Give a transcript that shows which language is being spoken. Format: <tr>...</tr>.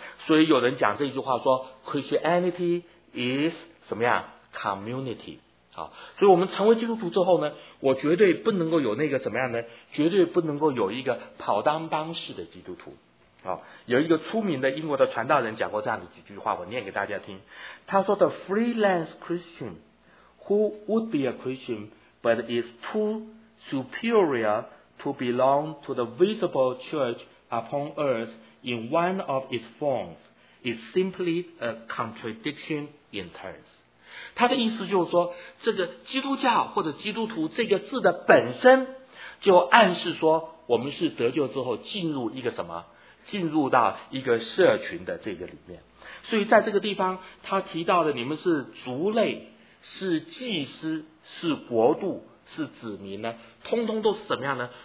<zh>所以有人讲这句话说</zh> <en>Christianity is</en> <zh>什么样 community。好，所以我们成为基督徒之后呢，我绝对不能够有那个怎么样呢，绝对不能够有一个跑单帮式的基督徒。啊，有一个出名的英国的传道人讲过这样的几句话，我念给大家听。他说</zh> <en>：“The freelance Christian who would be a Christian but is too superior to belong to the visible church upon earth in one of its forms is simply a contradiction in terms。”</en> <zh>他的意思就是说，这个基督教或者基督徒这个字的本身，就暗示说我们是得救之后进入一个什么？进入到一个社群的这个里面，所以在这个地方他提到的你们是族类，是祭司，是国度，是子民呢，通通都是怎么样呢？</zh>